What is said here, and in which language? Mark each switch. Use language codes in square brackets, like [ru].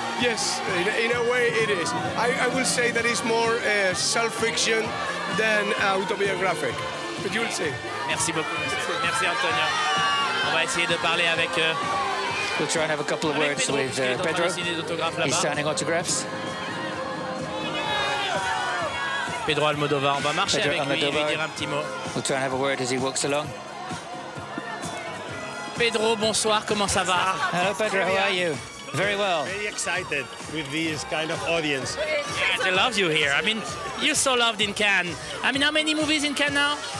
[en] Yes, in a way it is. I will say that it's more self-fiction than autobiographic, but you'll see. [fr] Merci beaucoup, monsieur. Merci, Antonio. On va essayer de parler avec... [en] We'll try and have a couple of words with Pedro. He's signing autographs. [fr] Pedro Almodóvar, on va marcher Pedro avec lui et lui dire un petit mot. [en] We'll try and have a word as he walks along. [fr] Pedro, bonsoir, comment ça va? [en] Hello, Pedro, how are you? Very well. Very excited with this kind of audience. Yeah, they love you here. I mean, you're so loved in Cannes. I mean, how many movies in Cannes now?